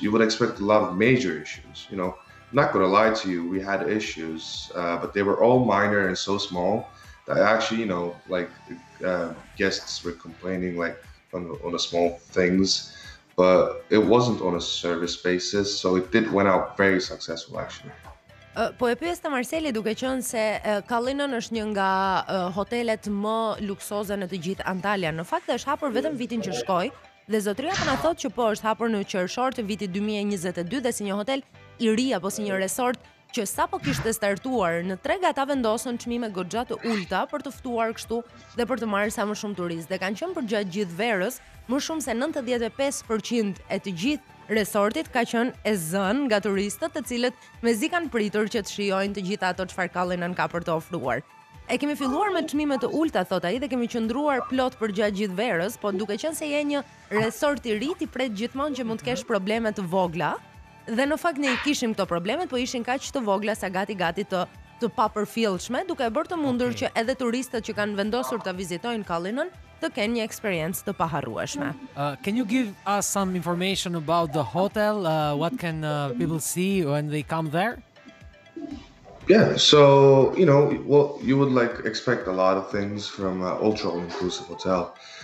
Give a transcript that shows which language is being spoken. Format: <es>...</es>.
<en>You would expect a lot of major issues, you know, I'm not gonna lie to you, we had issues, but they were all minor and so small. I actually, you know, like guests were complaining like on the small things, but it wasn't on a service basis, so it did went out very successful actually.</en> <sq>Po e pyes të Marseli duke qënë se Cullinan është një nga hotelet më luksoze në të gjithë Antalya. Në fakt është hapur vetëm vitin që shkoj dhe zotria të na thot që po është hapur në qershor të vitit 2022 dhe si një hotel I ri apo si një resort që sa po kishte startuar në treg ata vendosën çmime goxha të ulta për të ftuar kështu dhe për të marrë sa më shumë turistë dhe kanë qenë përgjatë gjithë verës më shumë se 95% e të gjithë resortit ka qenë e zënë nga turistët të cilët mezi kanë pritur që të shijojnë të gjitha ato çfarë Cullinan ka për të ofruar. E kemi filluar me çmime të ulta thot ai dhe kemi qëndruar plot përgjatë gjithë verës, po duke qenë se je një resort I ri ti pret gjithmonë që mund të kesh probleme të vogla. Dhe në fakt ne I kishim këto problemet, po ishin kaq të vogla sa gati-gati të papërfillshme, duke bërë të mundur që edhe turistët që kanë vendosur të vizitojnë Cullinan të kenë një eksperiencë të paharrueshme.</sq> <en>Can you give us some information about the hotel? What can people see when they come there? Yeah, so, you know, well, you would like expect a lot of things from an ultra-inclusive hotel.</en>